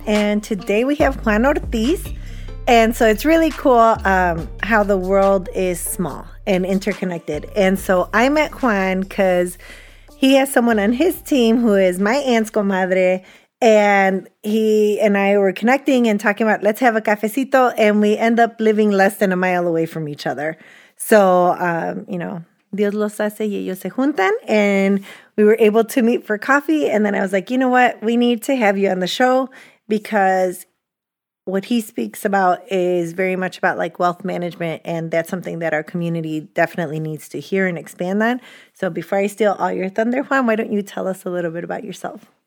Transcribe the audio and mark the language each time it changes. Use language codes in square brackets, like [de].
[en] And today we have Juan Ortiz. And so it's really cool how the world is small and interconnected. And so I met Juan because he has someone on his team who is my aunt's comadre. And he and I were connecting and talking about, let's have a cafecito. And we end up living less than a mile away from each other. So, you know, [es] Dios los hace y ellos se juntan. [en] And we were able to meet for coffee. And then I was like, you know what? We need to have you on the show because what he speaks about is very much about like wealth management, and that's something that our community definitely needs to hear and expand on. So before I steal all your thunder, Juan, why don't you tell us a little bit about yourself?